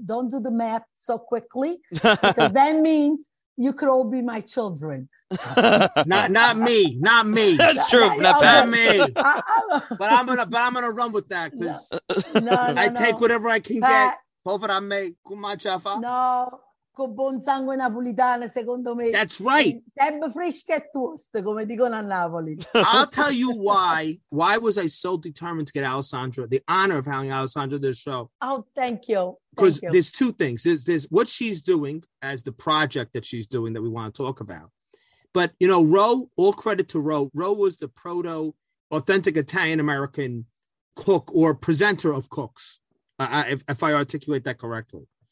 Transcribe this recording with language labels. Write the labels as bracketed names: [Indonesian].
[English] Don't do the math so quickly, because that means you could all be my children. not me. That's true. Not me. But I'm gonna run with that, because take whatever I can get. [Italian] Povera me, cumancia fa. No, con buon sangue napolitano, secondo me. [English] That's right. [Italian] Sempre fresco e tosto, come dicono a Napoli. [English] I'll tell you why. Why was I so determined to get Alessandra, the honor of having Alessandra this show? Oh, thank you. Because there's two things. There's what she's doing as the project that she's doing that we want to talk about. But, you know, Ro, all credit to Ro. Ro was the proto authentic Italian American cook or presenter of cooks, if I articulate that correctly.